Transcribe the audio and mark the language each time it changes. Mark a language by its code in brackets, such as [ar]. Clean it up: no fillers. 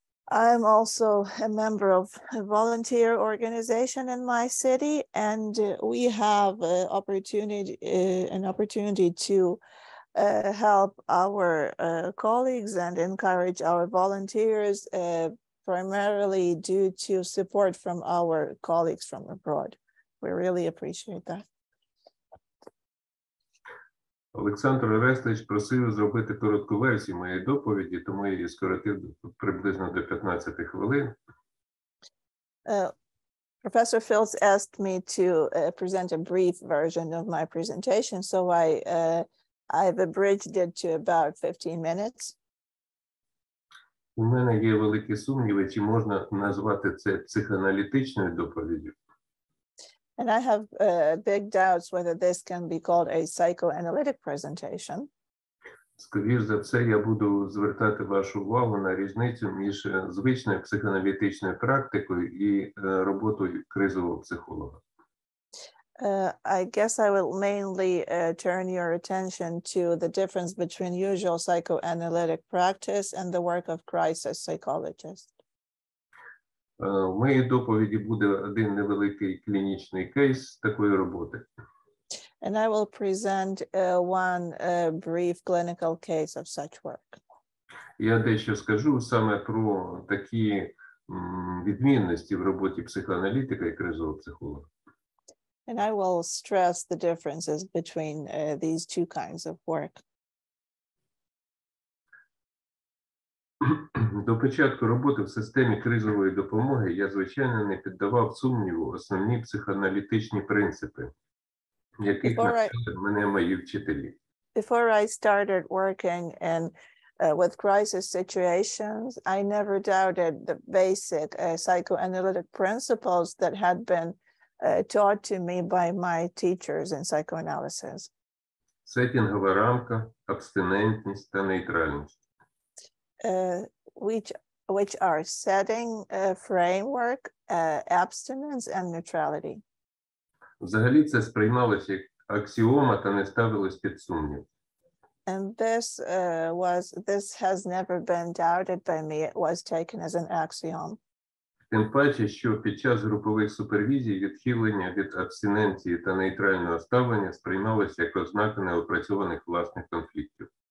[en] I'm also a member of a volunteer organization in my city, and we have an opportunity to help our colleagues and encourage our volunteers, primarily due to support from our colleagues from abroad. We really appreciate that. [uk] Олександр Орестович просив зробити коротку версію моєї доповіді, тому я її скоротив приблизно до 15 хвилин. [en] Professor Filts asked me to present a brief version of my presentation, so I've abridged it to about 15 minutes. [uk] У мене є великі сумніви, чи можна назвати це психоаналітичною доповіддю. [en] And I have big doubts whether this can be called a psychoanalytic presentation. [uk] Скоріше за все, я буду звертати вашу увагу на різницю між звичною психоаналітичною практикою і роботою кризового психолога. [en] I guess I will mainly turn your attention to the difference between usual psychoanalytic practice and the work of crisis psychologists. [uk] В моїй доповіді буде один невеликий клінічний кейс такої роботи. [en] And I will present one brief clinical case of such work. [uk] Я дещо скажу саме про такі відмінності в роботі психоаналітика і кризового психолога. [en] And I will stress the differences between these two kinds of work. [uk] До початку роботи в системі кризової допомоги я, звичайно, не піддавав сумніву основні психоаналітичні принципи, які навчили мене мої вчителі. [en] Before I started working in, with crisis situations, I never doubted the basic psychoanalytic principles that had been taught to me by my teachers in psychoanalysis. [uk] Сетінгова рамка, абстинентність та нейтральність. [en] Which are setting, framework, abstinence and neutrality. [uk] Взагалі це сприймалося як аксіома та не ставилось під сумнів. [en] And this this has never been doubted by me. It was taken as an axiom. [uk] Тим паче, що під час групових супервізій відхилення від абстиненції та нейтрального ставлення сприймалося як ознака неопрацьованих власних конфліктів.